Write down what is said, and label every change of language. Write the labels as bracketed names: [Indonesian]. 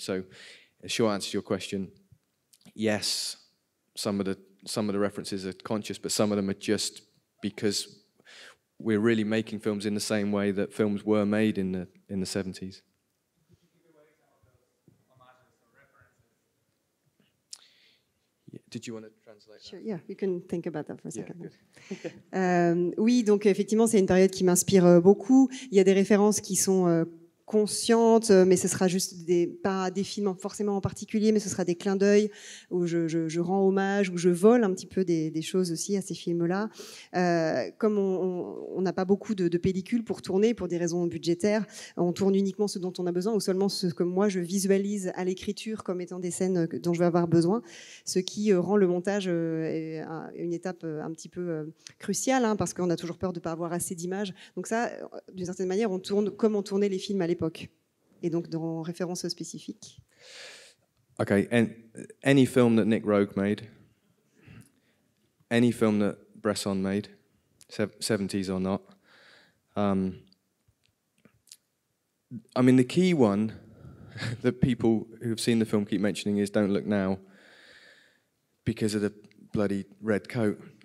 [English] So a short answer to your question, yes, some of the references are conscious, but some of them are just because we're really making films in the same way that films were made in the 70s. Did you want to translate that? Sure, yeah, you can think about that for a second. [French] Yeah, oui, donc effectivement, c'est une période qui m'inspire beaucoup. Il y a des références qui sont conscientes, mais ce sera juste pas des films forcément en particulier, mais ce sera des clins d'œil où je rends hommage, où je vole un petit peu des choses aussi à ces films-là. Comme on n'a pas beaucoup de pellicules pour tourner, pour des raisons budgétaires, on tourne uniquement ce dont on a besoin, ou seulement ce que moi je visualise à l'écriture comme étant des scènes dont je vais avoir besoin, ce qui rend le montage une étape un petit peu cruciale, hein, parce qu'on a toujours peur de ne pas avoir assez d'images. Donc ça, d'une certaine manière, on tourne comme on tournait les films à l'époque, et donc dans référence spécifique. [English] Okay, and any film that Nick Rogue made, any film that Bresson made, 70s or not, I mean, the key one that people who've seen the film keep mentioning is Don't Look Now, because of the bloody red coat.